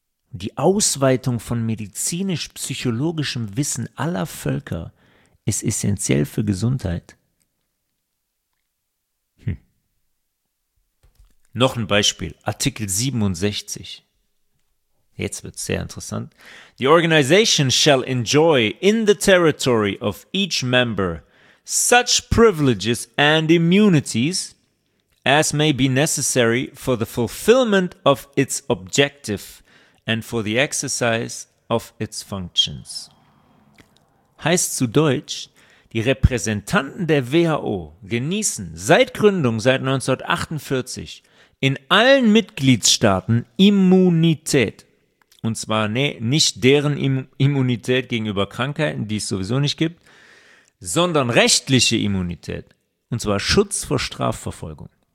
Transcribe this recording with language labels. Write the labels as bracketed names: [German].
[German] Die Ausweitung von medizinisch-psychologischem Wissen aller Völker ist essentiell für Gesundheit. Noch ein Beispiel, Artikel 67. Jetzt wird es sehr interessant. [English] The organization shall enjoy in the territory of each member such privileges and immunities as may be necessary for the fulfillment of its objective and for the exercise of its functions. [German] Heißt zu Deutsch, die Repräsentanten der WHO genießen seit Gründung, seit 1948, in allen Mitgliedstaaten Immunität. Und zwar nicht deren Immunität gegenüber Krankheiten, die es sowieso nicht gibt, sondern rechtliche Immunität, und zwar Schutz vor Strafverfolgung.